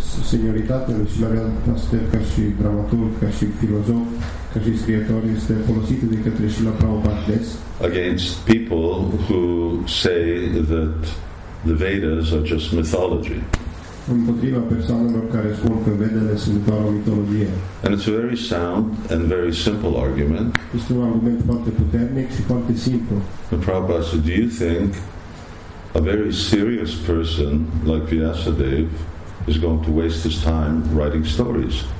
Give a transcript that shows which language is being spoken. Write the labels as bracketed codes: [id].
[ro] Senioritatea lui Srila Vyasadeva ca și dramaturg, ca și filozof, ca și scriitor este folosită de către Srila Prabhupada des. [en] Against people who say that the Vedas are just mythology. [ro] împotriva persoanelor care spun că vedele sunt doar o mitologie. [en] And it's a very sound and very simple argument. [ro] Este un argument foarte puternic și foarte simplu. [en] And Prabhupada said, do you think a very serious person like Vyasadeva is going to waste his time writing stories?